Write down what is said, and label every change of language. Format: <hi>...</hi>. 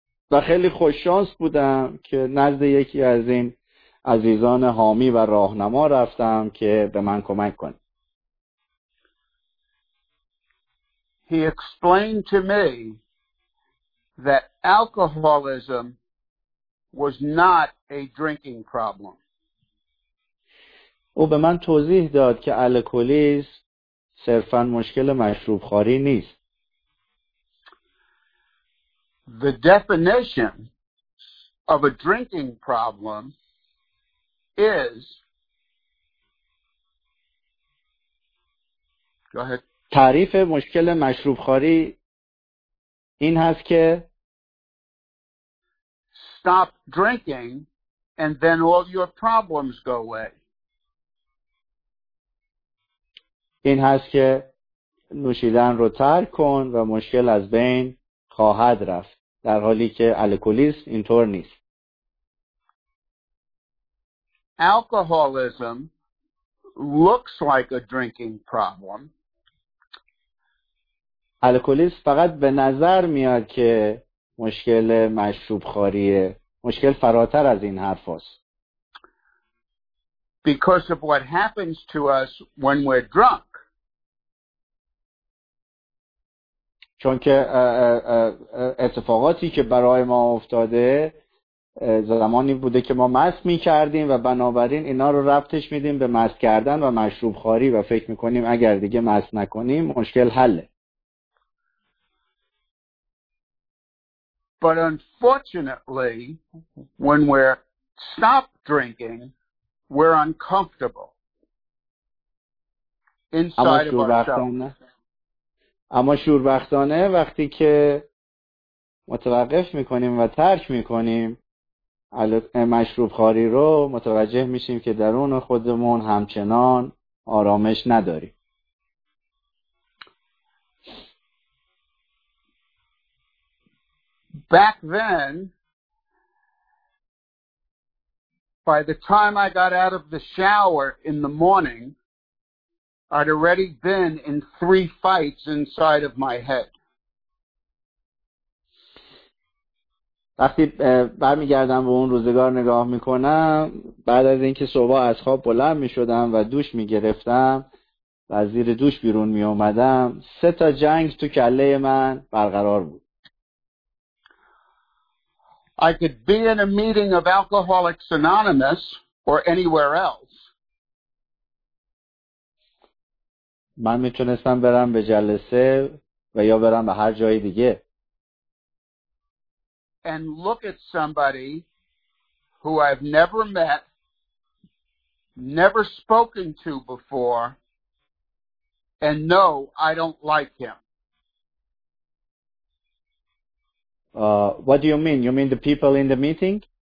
<fa>و خیلی خوششانس بودم که نزد یکی از این عزیزان حامی و راهنما رفتم که به من کمک کنه.</fa> <en>He explained to me that alcoholism was not a drinking problem.</en> <fa>او به من توضیح داد که الکلیز صرفا مشکل مشروب خوری نیست.</fa> <en>The definition of a drinking problem is go ahead.</en> <fa>تعریف مشکل مشروب خوری این هست که</fa> <en>stop drinking and then all your problems go away.</en> <fa>این هست که نوشیدن رو ترک کن و مشکل از بین خواهد رفت. در حالی که الکلیسم اینطور نیست.</fa> <en>Alcoholism looks like a drinking problem.</en> <fa>الکلیسم فقط به نظر میاد که مشکل مشروب خوریه. مشکل فراتر از این حرف هست.</fa> <en>Because of what happens to us when we're drunk.</en> <fa>چون که اتفاقاتی که برای ما افتاده زمانی بوده که ما مست می کردیم و بنابراین اینا رو ربطش می دیم به مست کردن و مشروب خواری و فکر می کنیم اگر دیگه مست نکنیم مشکل حله.</fa> <en>But unfortunately when we're stop drinking we're uncomfortable inside of ourselves.</en> <fa>اما شوربختانه وقتی که متوقف میکنیم و ترک میکنیم مشروب خاری رو متوجه میشیم که درون خودمون همچنان آرامش نداریم.</fa> <en>Back then by the time I got out of the shower in the morning I'd already been in 3 fights inside of my head.</en> <fa>وقتی برمیگردم به اون روزگار نگاه میکنم بعد از اینکه صبح از خواب بلند میشدم و دوش میگرفتم و از زیر دوش بیرون میومدم 3 تا جنگ تو کله من برقرار بود.</fa> <en>I could be in a meeting of Alcoholics Anonymous or anywhere else.</en> <fa>من میتونستم برم به جلسه و یا برم به هر جای دیگه.</fa> <en>And look at somebody who I've never met, never spoken to before, and know I don't like him. What do you mean? You mean the people in the meeting?</en>